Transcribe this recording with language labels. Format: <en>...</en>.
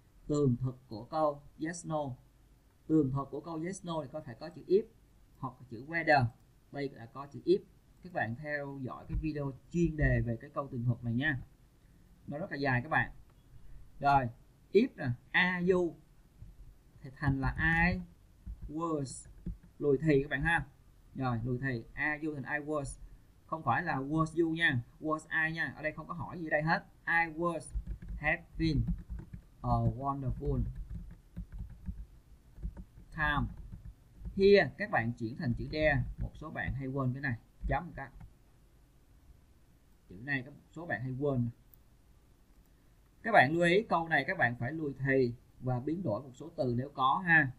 <vi>Tường thuật của câu yes no. Tường thuật của câu yes no thì có thể có chữ if hoặc chữ whether. Đây là có chữ if. Các bạn theo dõi cái video chuyên đề về cái câu tường thuật này nha. Nó rất là dài các bạn. Rồi, if nè, are you thì thành là I was. Lùi thì các bạn ha. Rồi, lùi thì</vi> <en>are you</en> <vi>thành</vi> <en>I was.</en> <vi>Không phải là was you nha, was I nha. Ở đây không có hỏi gì đây hết.</vi> <en>I was having a wonderful time.</en> <vi>Here các bạn chuyển thành chữ there. Một số bạn hay quên cái này. Chấm một cái. Chữ này có một số bạn hay quên. Các bạn lưu ý câu này các bạn phải lùi thì và biến đổi một số từ nếu có ha.</vi>